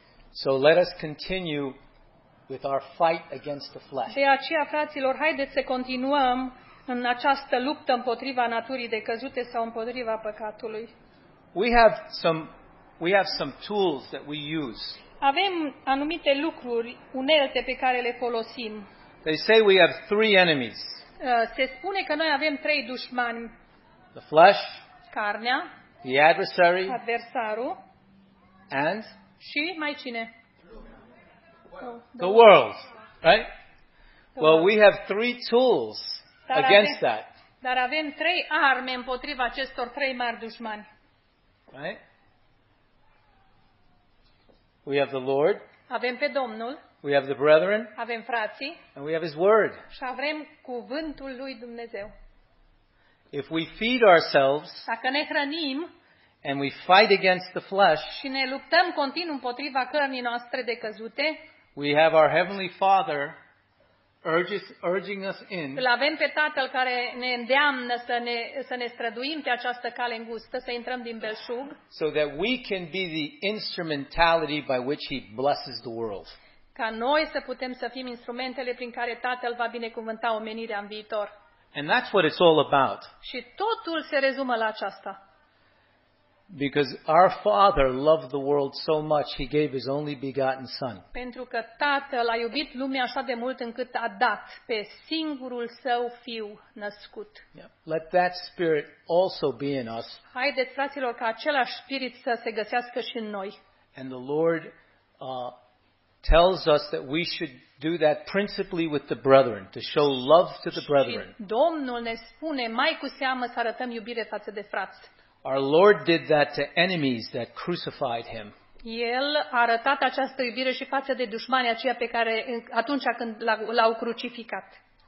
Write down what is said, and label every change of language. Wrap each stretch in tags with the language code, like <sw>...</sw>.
<en>So let us continue with our fight against the flesh.</en> <ro>De aceea, fraților, haideți să continuăm în această luptă împotriva naturii de căzute sau împotriva păcatului.</ro> <en>We have some tools that we use.</en> <ro>Avem anumite lucruri, unelte pe care le folosim.</ro> <en>They say we have three enemies.</en> <ro>Se spune că noi avem trei dușmani.</ro> <en>The flesh,</en> <ro>carnea,</ro> <en>the adversary,</en> <ro>adversarul,</ro> <en>and</en> <ro>și mai cine?</ro> <en>The world, right? Well, we have three tools against that.</en> <ro>Dar avem trei arme împotriva acestor trei mari dușmani.</ro> <en>Right? We have the Lord.</en> <ro>Avem pe Domnul.</ro> <en>We have the brethren.</en> <ro>Avem frații.</ro> <en>And we have his word.</en> <ro>Și avem cuvântul lui Dumnezeu.</ro> <en>If we feed ourselves,</en> <ro>dacă ne hrănim,</ro> <en>and we fight against the flesh,</en> <ro>și ne luptăm continuu împotriva cărnii noastre de căzute,</ro> <en>we have our Heavenly Father urging us in.</en> <ro>Îl avem pe Tatăl care ne îndeamnă să ne străduim pe această cale îngustă, să intrăm din belșug.</ro> <en>So that we can be the instrumentality by which he blesses the world.</en> <ro>Ca noi să putem să fim instrumentele prin care Tatăl va binecuvânta omenirea în viitor.</ro> <en>And that's what it's all about.</en> <ro>Și totul se rezumă la aceasta.</ro> <en>Because our Father loved the world so much, he gave his only begotten Son.</en> <ro>Pentru că Tatăl a iubit lumea așa de mult încât a dat pe singurul său fiu născut.</ro> <en>Let that spirit also be in us.</en> <ro>Haideți, fraților, ca același spirit să se găsească și în noi.</ro> <en>And the Lord tells us that we should do that principally with the brethren, to show love to the brethren.</en> <ro>Domnul ne spune mai cu seamă să arătăm iubire față de frați.</ro> <en>Our Lord did that to enemies that crucified him.</en> <ro>El a arătat această iubire și față de dușmanii aceia pe care atunci când l-au crucificat.</ro>